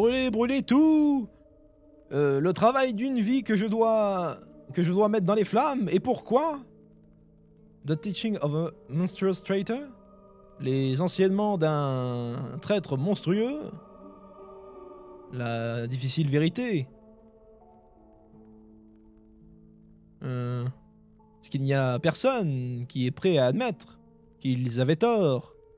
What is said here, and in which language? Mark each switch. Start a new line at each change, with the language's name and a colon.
French: Brûler tout. Le travail d'une vie que je dois mettre dans les flammes. Et pourquoi?
English: The teaching of a monstrous traitor.
French: Les enseignements d'un traître monstrueux. La difficile vérité. Parce qu'il n'y a personne qui est prêt à admettre qu'ils avaient tort.